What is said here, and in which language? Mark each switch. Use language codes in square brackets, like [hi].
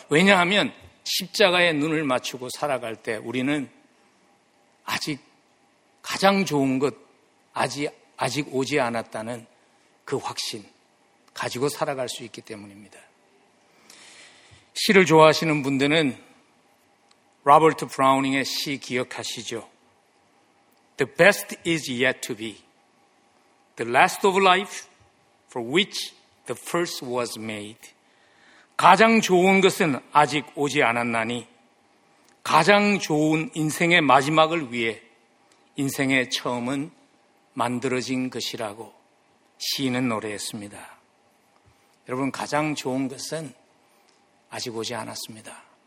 [ko] 왜냐하면 십자가에 눈을 맞추고 살아갈 때 우리는 아직 가장 좋은 것, 아직 오지 않았다는 그 확신 가지고 살아갈 수 있기 때문입니다. 시를 좋아하시는 분들은 로버트 브라우닝의 시 기억하시죠? [en] The best is yet to be. The last of life for which the first was made. [ko] 가장 좋은 것은 아직 오지 않았나니 가장 좋은 인생의 마지막을 위해 인생의 처음은 만들어진 것이라고 시인은 노래했습니다. 여러분, 가장 좋은 것은 아직 오지 않았습니다.